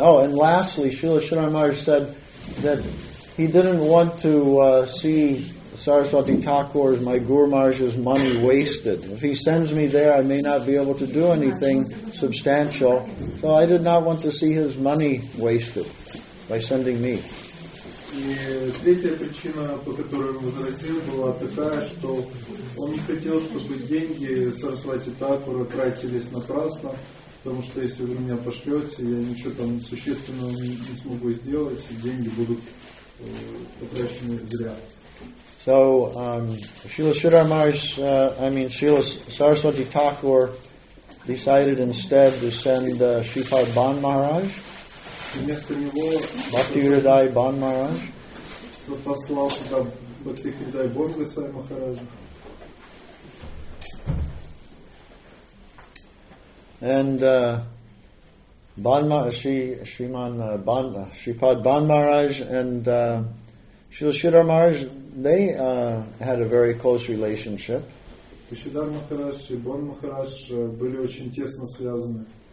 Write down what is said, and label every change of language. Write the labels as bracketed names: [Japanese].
[English] Oh, and lastly, Srila Sridhar Maharaj said that he didn't want to see Saraswati Thakur's, my Guru Maharaj's money wasted. If he sends me there, I may not be able to do anything substantial. So I did not want to see his money wasted by sending me. [Russian] И третья причина, по которой он возразил, была такая, что он не хотел, чтобы деньги Сарасвати Такура тратились напрасно, потому что если вы меня пошлете, я ничего там существенного не смогу сделать, и деньги будут потрачены зря. [English] So, Srila Sridhar Maharaj, Srila Saraswati Thakur decided instead to send Shripad Ban Maharaj. [Russian] Вместо него Бхакти Хридай Бан Махарадж послал сюда Бхакти Хридай Бан Махараджа. [English] And Shripad Ban Maharaj and Srila Sridhar Maharaj, they had a very close relationship. [Russian] Шридхар Махарадж и Бан Махарадж были очень тесно связаны.